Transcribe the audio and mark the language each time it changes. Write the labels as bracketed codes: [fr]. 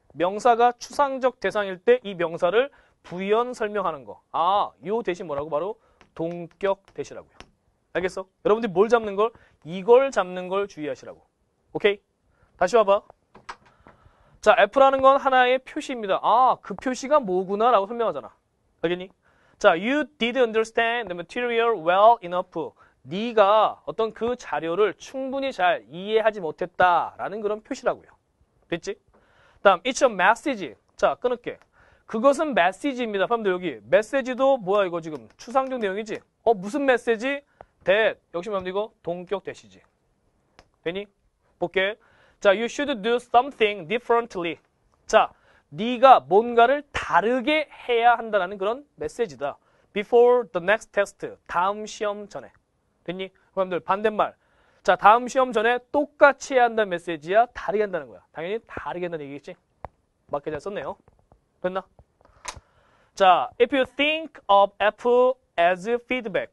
[ko] 명사가 추상적 대상일 때이 명사를 부연 설명하는 거. 아, 요 대시 뭐라고? 바로 동격 대시라고요. 알겠어? 여러분들이 뭘 잡는 걸? 이걸 잡는 걸 주의하시라고. 오케이? 다시 와봐. 자, F라는 건 하나의 표시입니다. 아, 그 표시가 뭐구나? 라고 설명하잖아. 알겠니? [en] 자, you did understand the material well enough. [ko] 네가 어떤 그 자료를 충분히 잘 이해하지 못했다라는 그런 표시라고요. 됐지? 다음, [en] it's a message. [ko] 자, 끊을게. 그것은 메시지입니다. 사람들 여기 메시지도 뭐야 이거 지금? 추상적 내용이지? 무슨 메시지? That. 역시 사람들 이거 동격 대시지. 되니? 볼게. 자, [en] you should do something differently. [ko] 자, 네가 뭔가를 다르게 해야 한다라는 그런 메시지다. [en] Before the next test. [ko] 다음 시험 전에. 됐니? 그럼들 반대말. 자, 다음 시험 전에 똑같이 해야 한다는 메시지야? 다르게 한다는 거야. 당연히 다르게 한다는 얘기겠지? 맞게 잘 썼네요. 됐나? [en] 자, if you think of F as feedback.